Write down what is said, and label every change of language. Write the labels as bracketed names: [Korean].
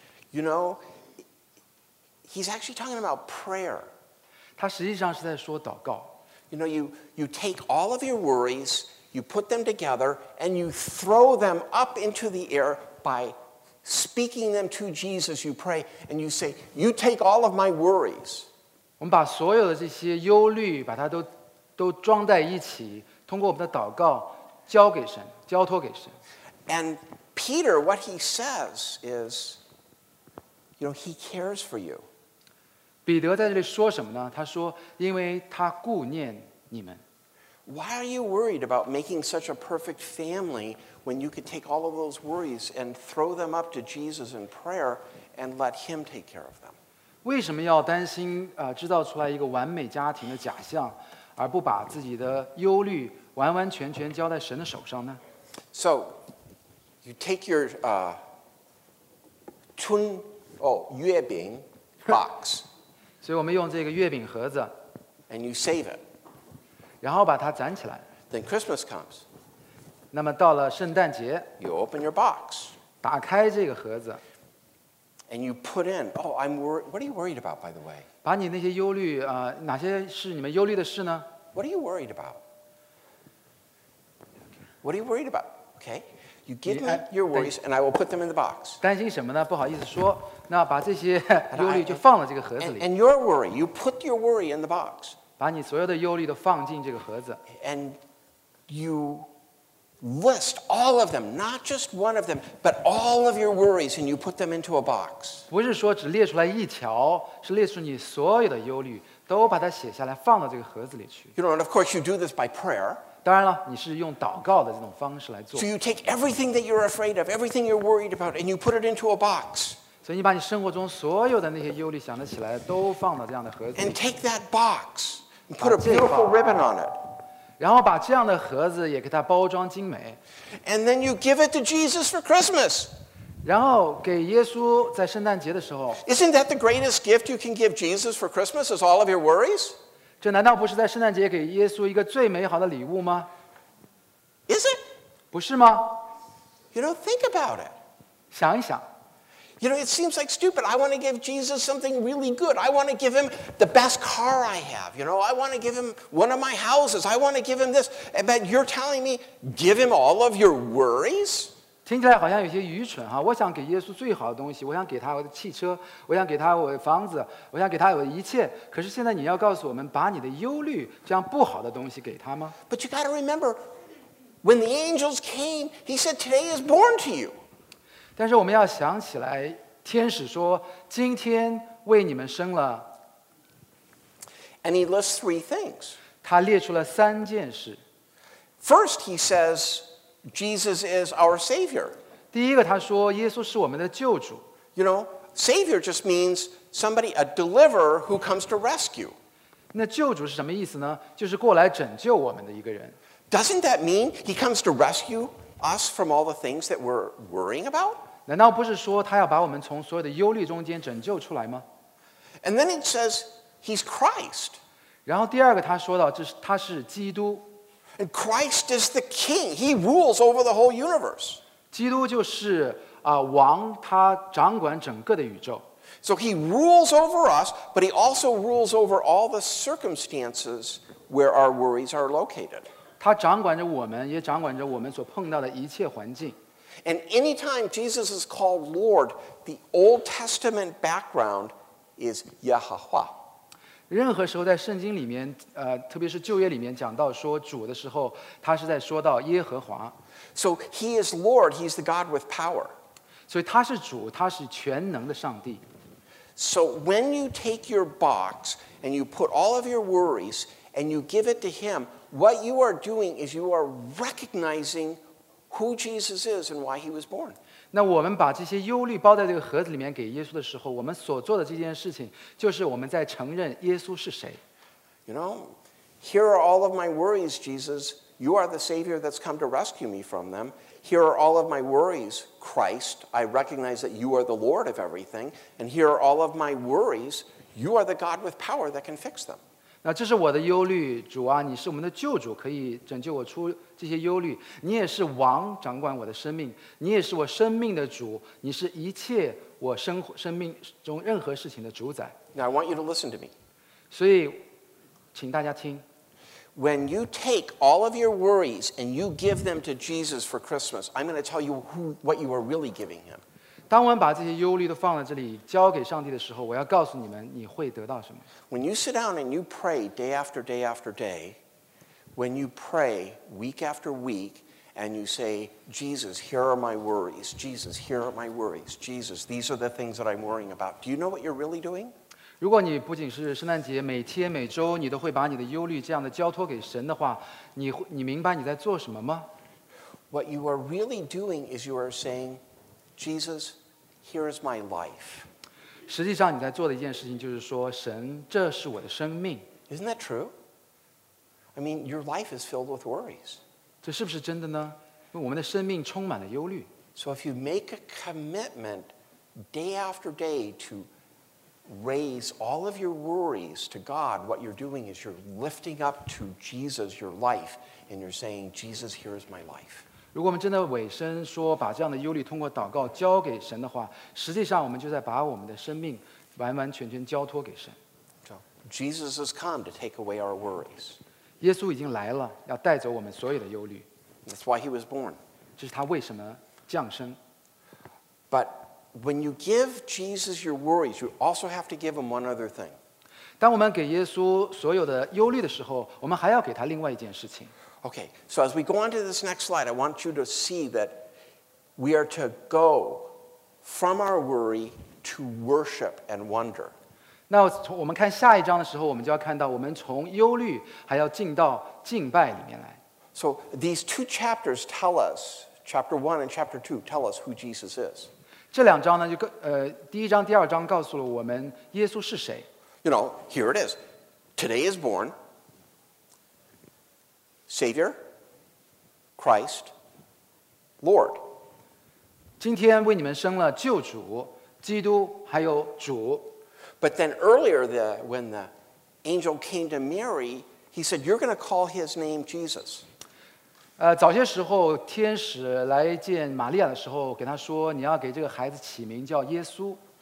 [English] you know, he's actually talking about prayer. [Chinese] 他实际上是在说祷告。 [English] You know, you take all of your worries, you put them together, and you throw them up into the air by. Speaking them to Jesus, you pray, and you say, you take all of my worries. [Chinese] 我们把所有的这些忧虑把它 都装在一起，通过我们的祷告交给神，交托给神。 [English] And Peter, what he says is, you know, he cares for you. [Chinese] 彼得在这里说什么呢？他说，因为他顾念你们。 [English] Why are you worried about making such a perfect family when you could take all of those worries and throw them up to Jesus in prayer and let him take care of them? [Chinese] 为什么要担心制造出来一个完美家庭的假象，而不把自己的忧虑完完全全交在神的手上呢？ [English] So, you take your [Chinese] 春哦月饼 [English] box. [Chinese] 所以我们用这个月饼盒子。 [English] And you save it. [Chinese] 然后把它攒起来。 [English] Then Christmas comes. [Chinese] 那么到了圣诞节。 [English] You open your box. [Chinese] 打开这个盒子。 [English] And you put in. Oh, I'm worried. What are you worried about, by the way? [Chinese] 把你那些忧虑哪些是你们忧虑的事呢？ [English] What are you worried about? What are you worried about? Okay, you give me your worries, and I will put them in the box. [Chinese] 担心什么呢？不好意思说，那把这些忧虑就放了这个盒子里。 [English] And your worry, you put your worry in the box. [Chinese] 把你所有的忧虑都放进这个盒子。 [English] And you. List all of them, not just one of them, but all of your worries, and you put them into a box. [Chinese] 不是说只列出来一条，是列出你所有的忧虑，都把它写下来，放到这个盒子里去。 [English] You know, and of course, you do this by prayer. [Chinese] 当然了，你是用祷告的这种方式来做。 [English] So you take everything that you're afraid of, everything you're worried about, and you put it into a box. [Chinese] 所以你把你生活中所有的那些忧虑想得起来，都放到这样的盒子里。 [English] And take that box and put a beautiful ribbon on it. [Chinese] 然后把这样的盒子也给它包装精美。 [English] And then you give it to Jesus for Christmas. [Chinese] 然后给耶稣在圣诞节的时候。 [English] Isn't that the greatest gift you can give Jesus for Christmas is all of your worries? [Chinese] 这难道不是在圣诞节给耶稣一个最美好的礼物吗？ [English] Is it? [Chinese] 不是吗？ [English] You know, think about it. [Chinese] 想一想。 [English] You know, it seems like stupid. I want to give Jesus something really good. I want to give him the best car I have. You know, I want to give him one of my houses. I want to give him this. But you're telling me, give him all of your worries? [Chinese] 听起来好像有些愚蠢哈。我想给耶稣最好的东西，我想给他我的汽车，我想给他我的房子，我想给他我的一切。可是现在你要告诉我们，把你的忧虑这样不好的东西给他吗？ [English] But you got to remember, when the angels came, he said, today is born to you. [Chinese] 但是我们要想起来，天使说：“今天为你们生了。” [English] And he lists three things. [Chinese] 他列出了三件事。 [English] First, he says, Jesus is our Savior. [Chinese] 第一个，他说耶稣是我们的救主。 [English] You know, Savior just means somebody, a deliverer who comes to rescue. [Chinese] 那救主是什么意思呢？就是过来拯救我们的一个人。 [English] Doesn't that mean he comes to rescue? Us from all the things that we're worrying about? [Chinese] 难道不是说他要把我们从所有的忧虑中间拯救出来吗？ [English] And then it says he's Christ. [Chinese] 然后第二个他说到，这是他是基督。 [English] And Christ is the King. He rules over the whole universe. [Chinese] 基督就是王，他掌管整个的宇宙。 [English] So he rules over us, but he also rules over all the circumstances where our worries are located. [Chinese] 他掌管着我们，也掌管着我们所碰到的一切环境。 [English] And any time Jesus is called Lord, the Old Testament background is Yahweh. [Chinese] 任何时候在圣经里面，特别是旧约里面讲到说主的时候，他是在说到耶和华。 [English] So he is Lord, he is the God with power. [Chinese] 所以他是主，他是全能的上帝。 [English] So when you take your box and you put all of your worries and you give it to him,What you are doing is you are recognizing who Jesus is and why he was born. [Chinese] 那我们把这些忧虑包在这个盒子里面给耶稣的时候，我们所做的这件事情就是我们在承认耶稣是谁。 [English] You know, here are all of my worries, Jesus. You are the Savior that's come to rescue me from them. Here are all of my worries, Christ. I recognize that you are the Lord of everything. And here are all of my worries. You are the God with power that can fix them. [Chinese] 那这是我的忧虑，主啊，你是我们的救主，可以拯救我出这些忧虑。你也是王，掌管我的生命，你也是我生命的主，你是一切我生命中任何事情的主宰。 [English] Now I want you to listen to me. [Chinese] 所以，请大家听。 [English] When you take all of your worries and you give them to Jesus for Christmas, I'm going to tell you what you are really giving him. [Chinese] 当我们把这些忧虑都放在这里交给上帝的时候我要告诉你们你会得到什么 [English] When you sit down and you pray day after day after day When you pray week after week And you say Jesus here are my worries Jesus here are my worries Jesus these are the things that I'm worrying about Do you know what you're really doing? [Chinese] 如果你不仅是圣诞节每天每周你都会把你的忧虑这样的交托给神的话 你明白你在做什么吗 [English] What you are really doing is you are sayingJesus, here is my life. [Chinese] 实际上你在做的一件事情就是说神这是我的生命 [English] Isn't that true? I mean, your life is filled with worries. [Chinese] 这是不是真的呢因为我们的生命充满了忧虑 [English] So if you make a commitment day after day to raise all of your worries to God, what you're doing is you're lifting up to Jesus your life and you're saying, Jesus, here is my life. [Chinese] 如果我们真的委身说把这样的忧虑通过祷告交给神的话实际上我们就在把我们的生命完完全全交托给神 [English] so, Jesus has come to take away our worries [Chinese] 耶稣已经来了要带走我们所有的忧虑 [English] That's why he was born [Chinese] 这是他为什么降生 [English] But when you give Jesus your worries you also have to give him one other thing [Chinese] 当我们给耶稣所有的忧虑的时候我们还要给他另外一件事情 [English] Okay, so as we go on to this next slide, I want you to see that we are to go from our worry to worship and wonder. [Chinese] 那我们看下一章的时候，我们就要看到我们从忧虑还要进到敬拜里面来。 [English] So these two chapters tell us, chapter one and chapter two tell us who Jesus is. [Chinese] 这两章呢，就第一章、第二章告诉了我们耶稣是谁。 [English] You know, here it is. Today is born. Savior, Christ, Lord. [Chinese] 今天为你们生了救主、基督还有主。 [English] But then earlier, when the angel came to Mary, he said, "You're going to call his name Jesus." [Chinese] 早些时候天使来见玛利亚的时候，给他说，你要给这个孩子起名叫耶稣。